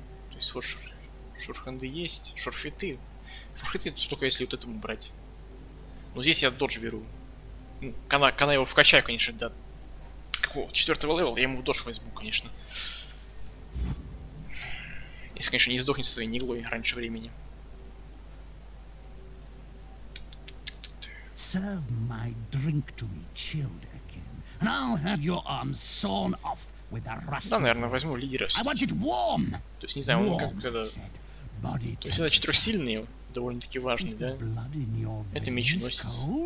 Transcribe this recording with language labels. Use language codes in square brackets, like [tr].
[ru] То есть вот шорхенды есть, шорфиты. Шорфиты только если вот этому брать. Но здесь я Dodge беру. Ну, когда его вкачаю, конечно, до какого-то 4-го левела, я ему Dodge возьму, конечно. Если, конечно, не сдохнет со своей неглой раньше времени. [en] Serve my drink to me, Childerkin, and I'll have your arms sawn off with a rusty. [ru] Да, наверное, возьму лидера. [en] I want it warm. [ru] То есть, не знаю, он как-то... То есть, это четырехсильный, довольно-таки важный, да? Это меченосец.